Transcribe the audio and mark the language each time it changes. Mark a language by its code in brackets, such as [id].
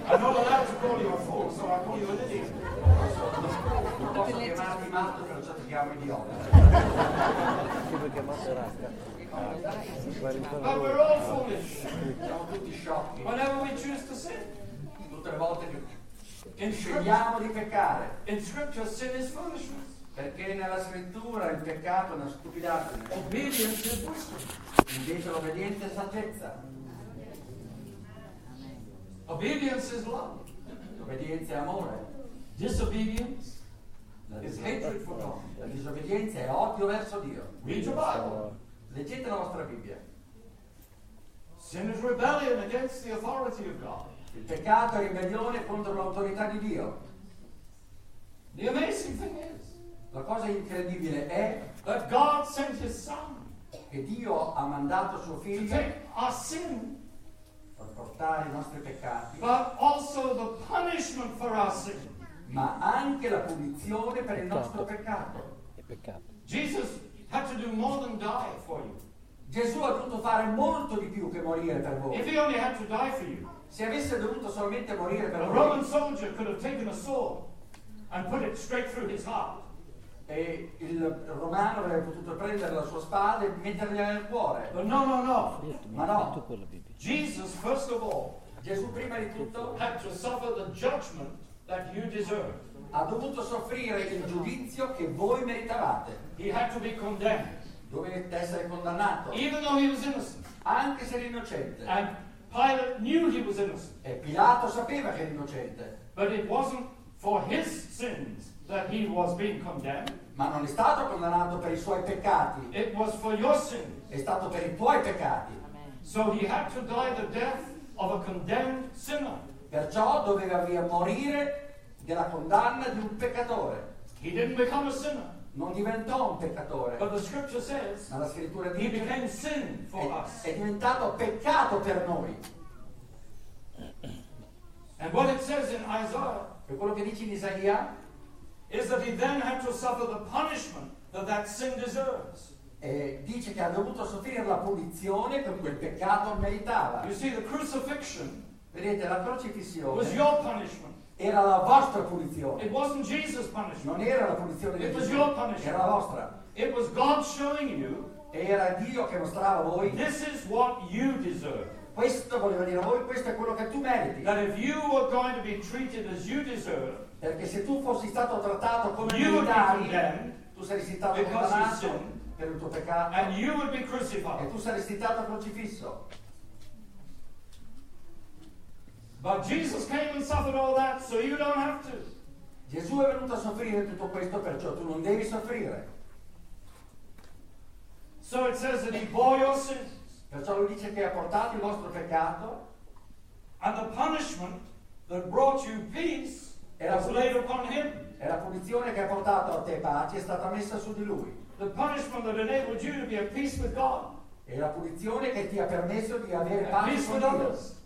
[en] I'm not allowed to call you a fool, so I call you an idiot. [it] Non posso chiamarmi matto, perciò ti chiamo idiota. Chi vuoi chiamare racca? [en] But we're all foolish. [it] Siamo tutti sciocchi. [en] Whenever we choose to sin. [it] Tutte le volte che scegliamo di peccare. [en] In scripture sin is foolishness. [it] Perché nella scrittura il peccato è una stupidaggine. [en] Obedience is wisdom. [it] Invece l'obbedienza è saggezza. [en] Obedience is love. [it] L'obbedienza è amore. [en] Disobedience. La hatred for God. [it] La disobbedienza è odio verso Dio. [en] Read your Bible. [it] Leggete la vostra Bibbia. [en] Sin is rebellion against the authority of God. [it] Il peccato è ribellione contro l'autorità di Dio. [en] The amazing thing is, [it] la cosa incredibile è [en] that God sent his son, [it] che Dio ha mandato suo figlio [en] to take our sin, [it] per portare i nostri peccati, [en] but also the punishment for our sin, [it] ma anche la punizione per il nostro peccato. È peccato. [en] Jesus had to do more than die for you. [it] Gesù ha dovuto fare molto di più che morire per voi. [en] If he only had to die for you, [it] se avesse dovuto solamente morire per [en] a [it] voi, [en] Roman soldier could have taken a sword and put it straight through his heart. [it] E il romano avrebbe potuto prendere la sua spada e metterla nel cuore. [en] No. Jesus, first of all, [it] Gesù prima di tutto, [en] had to suffer the judgment that you deserved. [it] Ha dovuto soffrire il giudizio che voi meritavate. [en] He had to be condemned. [it] Dovete essere condannato. [en] Even though he was innocent. [it] Anche se era innocente. [en] And Pilate knew he was innocent. [it] E Pilato sapeva che era innocente. [en] But it wasn't for his sins that he was being condemned. [it] Ma non è stato condannato per i suoi peccati. [en] It was for your sins. [it] È stato per i tuoi peccati. [en] So he had to die the death of a condemned sinner. [it] Perciò doveva morire della condanna di un peccatore. [en] He didn't become a sinner. [it] Non diventò un peccatore. [en] But the scripture says, [it] ma la scrittura dice, [en] he became sin for us. [it] È diventato peccato per noi. [en] And what it says in Isaiah, [it] e quello che dice in Isaia, [en] is that he then had to suffer the punishment that that sin deserves. [it] E dice che ha dovuto soffrire la punizione per quel peccato meritava. [en] You see, the crucifixion, [it] vedete, la crocifissione, [en] was your punishment. [it] Era la vostra punizione. [en] It wasn't Jesus' punishment. [it] Non era la punizione [en] it [it] di [en] was [it] Gesù. [en] Your punishment. [it] Era la vostra. [en] It was God showing you, [it] era Dio che mostrava a voi, [en] this is what you deserve. [it] Questo voleva dire a voi, questo è quello che tu meriti. [en] That if you were going to be treated as you deserve, [it] perché se tu fossi stato trattato come [en] you [it] meritavi, tu saresti stato condannato per il tuo peccato, [en] and you would be crucified. [it] E tu saresti stato crocifisso. [en] But Jesus came and suffered all that, so you don't have to. [it] Gesù è venuto a soffrire tutto questo, perciò tu non devi soffrire. [en] So it says that he bore your sins. [it] Perciò lui dice che ha portato il vostro peccato. [en] And the punishment that brought you peace era laid upon him. [it] E la punizione che ha portato a te pace è stata messa su di lui. [en] The punishment that enabled you to be at peace with God. [it] E la punizione che ti ha permesso di avere pace con Dio.